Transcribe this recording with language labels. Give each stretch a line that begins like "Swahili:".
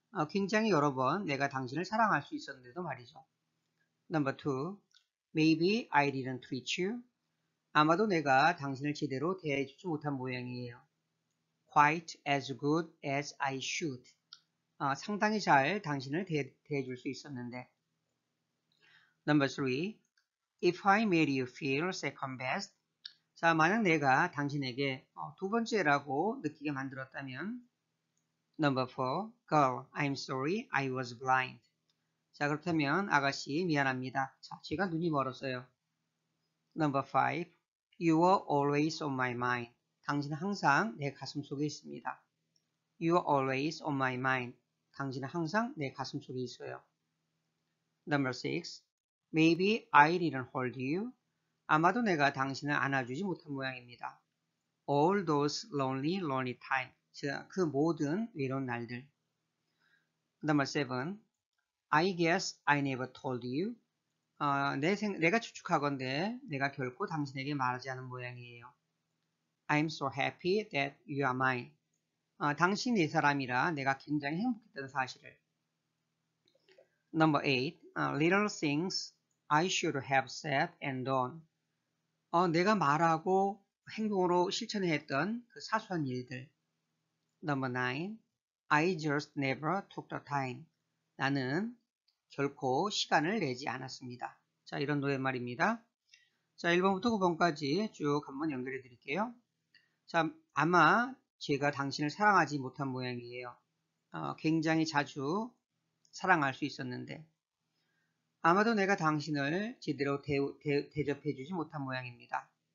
Korean: 굉장히 여러 번 내가 당신을 사랑할 수 있었는데도 말이죠.
English: Number two, maybe I didn't treat you.
Korean: 아마도 내가 당신을 제대로 대해주지 못한 모양이에요.
English: Quite as good as I should.
Korean: 상당히 잘 당신을 대해줄 수 있었는데.
English: Number three, if I made you feel second best.
Korean: 자, 만약 내가 당신에게 두 번째라고 느끼게 만들었다면.
English: Number four, girl, I'm sorry, I was blind.
Korean: 자, 그렇다면 아가씨 미안합니다. 자, 제가 눈이 멀었어요.
English: Number five, you were always on my mind.
Korean: 당신은 항상 내 가슴 속에 있습니다.
English: You are always on my mind.
Korean: 당신은 항상 내 가슴 속에 있어요.
English: Number six, maybe I didn't hold you.
Korean: 아마도 내가 당신을 안아주지 못한 모양입니다.
English: All those lonely, lonely times.
Korean: 자, 그 모든 외로운 날들.
English: Number seven, I guess I never told you.
Korean: 내가 추측하건대 내가 결코 당신에게 말하지 않은 모양이에요.
English: I'm so happy that you are mine.
Korean: 당신이 내 사람이라 내가 굉장히 행복했다는 사실을.
English: Number eight, little things I should have said and done.
Korean: 내가 말하고 행동으로 실천했던 그 사소한 일들.
English: Number nine, I just never took the time.
Korean: 나는 결코 시간을 내지 않았습니다. 자, 이런 노랫말입니다. 자, 1번부터 9번까지 쭉 한번 연결해 드릴게요. 자, 아마 제가 당신을 사랑하지 못한 모양이에요. 굉장히 자주 사랑할 수 있었는데. 아마도 내가 당신을 제대로 대접해 주지 못한 모양입니다.